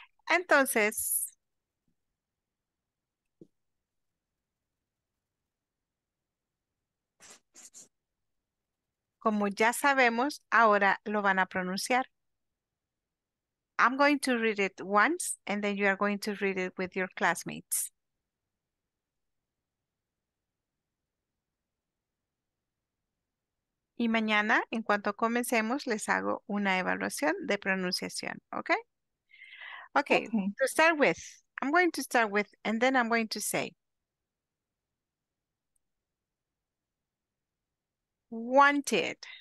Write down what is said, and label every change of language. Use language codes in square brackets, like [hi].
[es] Entonces, como ya sabemos, ahora lo van a pronunciar. [en] I'm going to read it once and then you are going to read it with your classmates. [es] Y mañana, en cuanto comencemos, les hago una evaluación de pronunciación, okay? [en] Okay, to start with, I'm going to start with, and then I'm going to say, wanted.